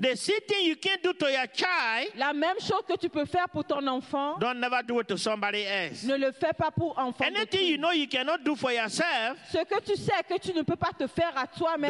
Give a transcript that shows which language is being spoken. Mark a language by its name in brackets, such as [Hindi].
[English] The same thing you can do to your child. [French] La même chose que tu peux faire pour ton enfant. [English] Don't never do it to somebody else. [French] Ne le fais pas pour enfant. [English] Anything you know you cannot do for yourself. [French] Ce que tu sais que tu ne peux pas te faire à toi-même.